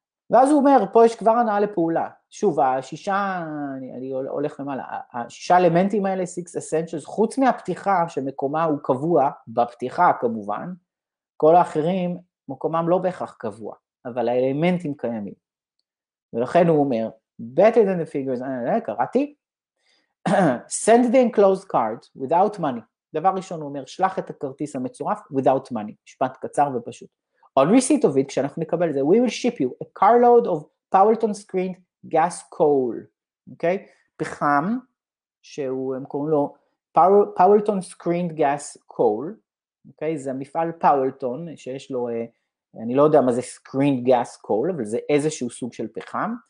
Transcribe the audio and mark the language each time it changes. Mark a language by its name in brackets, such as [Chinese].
[Hebrew] ואז הוא אומר, פה יש כבר הנעה לפעולה. שוב, השישה, אני הולך למעלה, השישה אלמנטים האלה, six essentials, חוץ מהפתיחה שמקומה הוא קבוע, בפתיחה כמובן, כל האחרים מקומם לא בהכרח קבוע, אבל האלמנטים קיימים. ולכן הוא אומר, [English] better than the figures, קראתי, send the enclosed card without money. [Hebrew] דבר ראשון הוא אומר, שלח את הכרטיס המצורף [English] without money, [Hebrew] משפט קצר ופשוט. [English] On receipt of it, [Hebrew] כשאנחנו נקבל את זה, [English] we will ship you a carload of Powerton screened gas coal, okay? [Hebrew] פחם, שהוא, הם קוראים לו Powerton screened gas coal, okay? זה מפעל Powerton, שיש לו, אני לא יודע מה זה screened gas coal, אבל זה איזשהו סוג של פחם.